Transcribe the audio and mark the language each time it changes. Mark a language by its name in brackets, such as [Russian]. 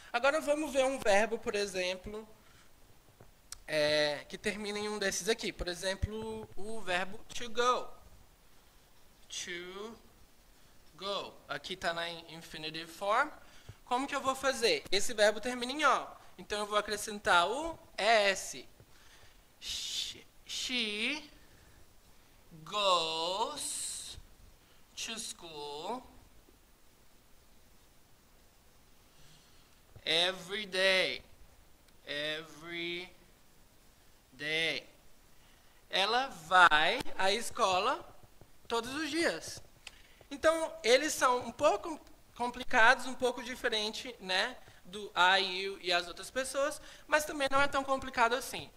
[Portuguese] Agora, vamos ver um verbo, por exemplo, que termina em um desses aqui. Por exemplo, o verbo to go. To go. Aqui está na infinitive form. Como que eu vou fazer? Esse verbo termina em O. Então, eu vou acrescentar o S. [English] She goes to school every day. Every day. [Portuguese] Ela vai à escola todos os dias. Então, eles são um pouco complicados, um pouco diferente, né, do I, you e as outras pessoas, mas também não é tão complicado assim.